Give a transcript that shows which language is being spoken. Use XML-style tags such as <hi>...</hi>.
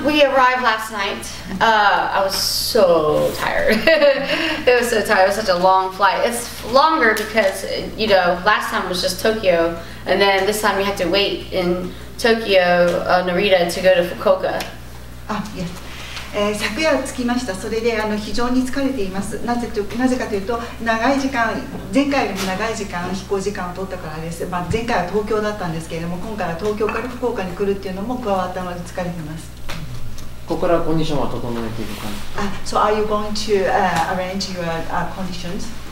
<en>We arrived last night. I was so tired. It was so tired. It was such a long flight. It's longer because, you know, last time was just Tokyo, and then this time we had to wait in Tokyo, Narita, to go to Fukuoka. Ah, yes.</en> <ja>昨夜着きました。それで非常に疲れています。なぜかというと、長い時間、前回よりも長い時間飛行時間を取ったからです。前回は東京だったんですけれども、今回は東京から福岡に来るっていうのも加わったので疲れています。ここから condition は整えていく感じ?</ja> <en>So are you going to arrange your conditions?</en>